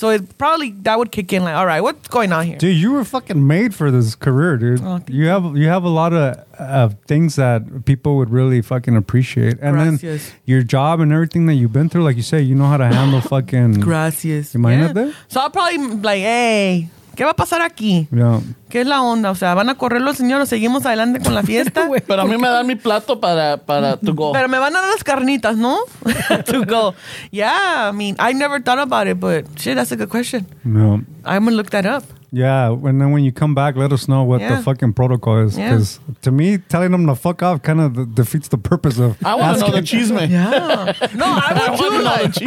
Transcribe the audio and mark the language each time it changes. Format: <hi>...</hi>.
<en>So it probably that would kick in like, all right, what's going on here? Dude, you were fucking made for this career, dude. Oh, you have a lot of things that people would really fucking appreciate. And then your job and everything that you've been through, like you say, you know how to handle fucking.</en> <es>Gracias.</es> <en>You mind that? So I'll probably be like, hey.</en> <es>¿Qué va a pasar aquí? ¿Qué es la onda? O sea, ¿van a correr los señores? ¿Seguimos adelante con la fiesta? Pero a mí me dan mi plato para to go. Pero me van a dar las carnitas, ¿no?</es> <en>To go. Yeah, I mean, I never thought about it, but shit, that's a good question. No. I'm going to look that up. Yeah, and then when you come back, let us know what the fucking protocol is. Because to me, telling them to fuck off kind of defeats the purpose of I want to know the chisme. Yeah. No, I want to</en>